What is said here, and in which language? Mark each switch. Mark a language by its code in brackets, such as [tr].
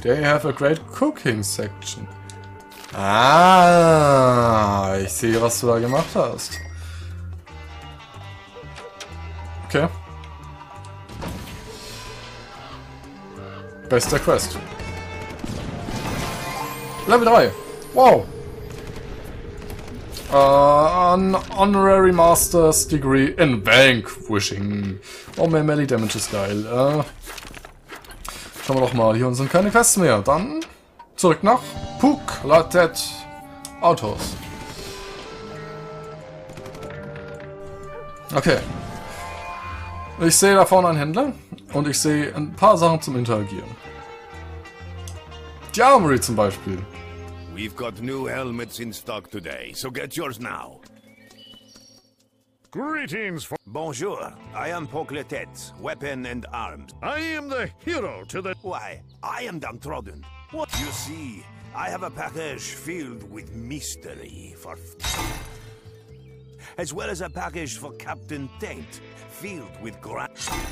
[en] They have a great cooking section. [de] Ah, ich sehe, was du da gemacht hast. Okay. Bester Quest. Level 3. Wow. [en] An honorary master's degree in vanquishing. [de] Oh, mehr melee damage ist geil. Schauen wir doch mal, hier sind keine Quests mehr. Dann zurück nach Puklatet Autos. Okay. Ich sehe da vorne einen Händler und ich sehe ein paar Sachen zum Interagieren. Die Armory zum Beispiel. [en] We've got new helmets in stock today, so get yours now. Greetings for- Bonjour, I am Pokletet, weapon and arms. I am the hero to the- Why, I am downtrodden. What you see, I have a package filled with mystery for- As well as a package for Captain Taint, filled with grass.